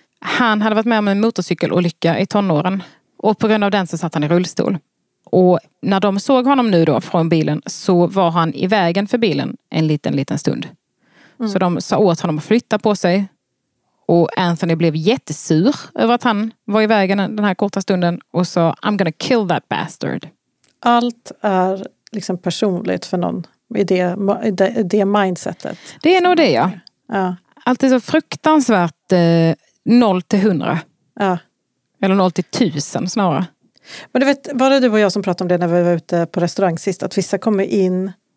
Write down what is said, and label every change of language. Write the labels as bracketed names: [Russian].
[Swedish] Han hade varit med om en motorcykelolycka i tonåren. Och på grund av den så satt han i rullstol. Och när de såg honom nu då från bilen så var han i vägen för bilen en liten stund. Mm. Så de sa åt honom att flytta på sig. Och Anthony blev jättesur över att han var i vägen den här korta stunden. Och sa, [English] I'm gonna kill that bastard. [Swedish] Allt är liksom personligt för någon i det mindsetet. Det är nog det, ja. Ja. Allt är så fruktansvärt 0-100. Ja. Eller 0-1000 snarare. Men du vet, var det du och jag som pratade om det när vi var ute på restaurang sist? Att vissa kommer in...